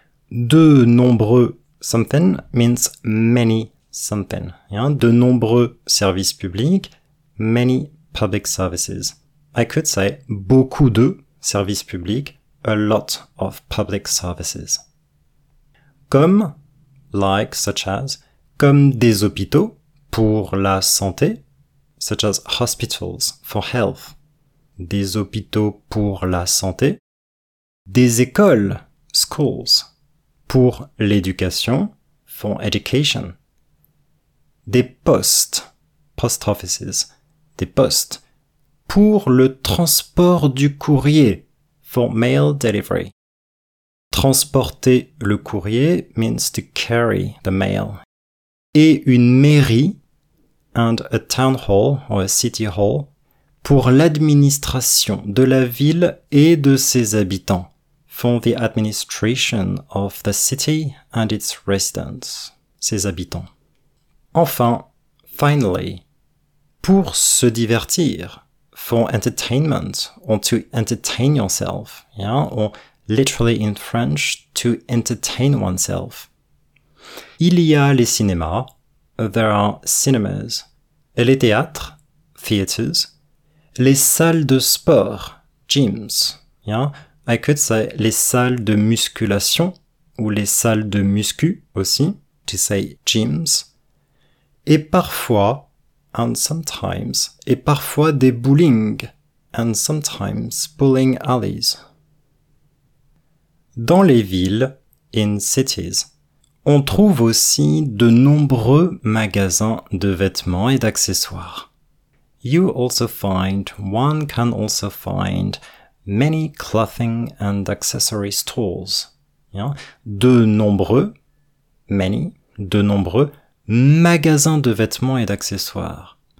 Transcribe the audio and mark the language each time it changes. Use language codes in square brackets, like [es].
[en] De nombreux something means many something. Yeah? [fr] De nombreux services publics, [en] many public services. I could say [fr] beaucoup de services publics, [en] a lot of public services. [fr] Comme, [en] like, such as, [fr] comme des hôpitaux pour la santé, [en] such as hospitals for health, [fr] des hôpitaux pour la santé, des écoles, [en] schools, [fr] pour l'éducation, [en] for education, [fr] des postes, [en] post offices, [fr] des postes, pour le transport du courrier, [en] for mail delivery. Transporter le courrier means to carry the mail. [fr] Et une mairie, [en] and a town hall or a city hall, [fr] pour l'administration de la ville et de ses habitants. [en] For the administration of the city and its residents, ses habitants. Enfin, finally, [fr] pour se divertir, [en] for entertainment, or to entertain yourself, yeah, or literally in French, to entertain oneself. [fr] Il y a les cinémas, [en] there are cinemas, [fr] et les théâtres, theaters, les salles de sport, gyms, [en] yeah, I could say [fr] les salles de musculation, ou les salles de muscu aussi, [en] to say gyms, [fr] et parfois, and sometimes, et parfois des bowling, [en] and sometimes bowling alleys. [fr] Dans les villes, in cities, on trouve aussi de nombreux magasins de vêtements et d'accessoires. [en] You also find, one can also find, many clothing and accessory stores. Yeah? [fr] De nombreux, many, de nombreux magasins de vêtements et d'accessoires.